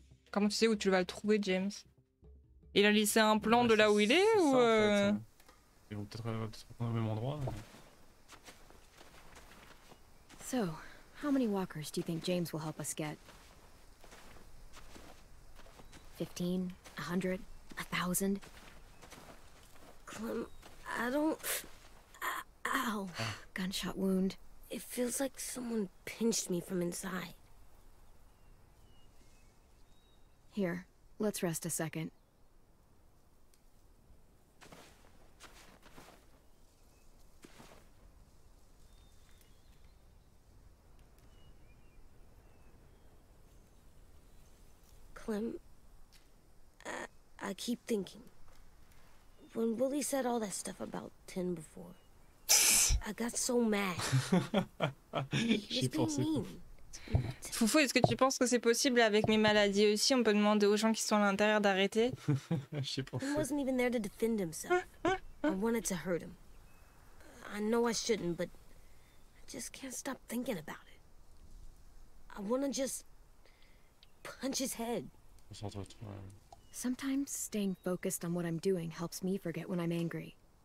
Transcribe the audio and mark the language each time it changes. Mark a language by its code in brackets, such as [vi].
[fr] Comment tu sais où tu vas le trouver, James? Il a laissé un plan de là où il est, ou... Ça, en fait, hein. Ils vont peut-être se retrouver au même endroit. Mais... So... [en] How many walkers do you think James will help us get? 15? 100? 1,000? Clem, I don't... Ow! Gunshot wound. It feels like someone pinched me from inside. Here, let's rest a second. Clem, I keep thinking. When Willie said all that stuff about Tin before, I got so mad. He was being mean. [fr] Foufou, est-ce que tu penses que c'est possible avec mes maladies aussi, on peut demander aux gens qui sont à l'intérieur d'arrêter? J'ai pensé. [en] He wasn't even there to defend himself. I wanted to hurt him. I know I shouldn't, but I just can't stop thinking about it. I want to just punch his head. Sometimes staying focused on what I'm doing helps me forget when I'm angry.